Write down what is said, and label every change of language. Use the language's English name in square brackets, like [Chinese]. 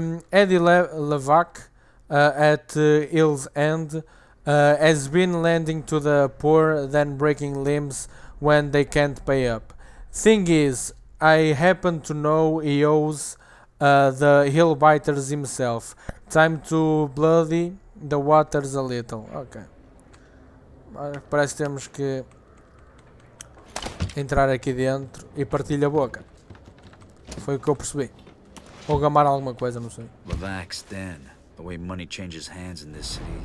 [English] Eddie Lavark at Hill's End has been lending to the poor, then breaking limbs when they can't pay up. Thing is, I happen to know he owes the hill biters himself. Time to bloody the waters a little. Ok. [Portuguese] Parece que temos que entrar aqui dentro e partilhar a boca. Foi o que eu percebi. Ou gamar alguma coisa, não sei. [English] Lavak's den. The way money changes hands in this city.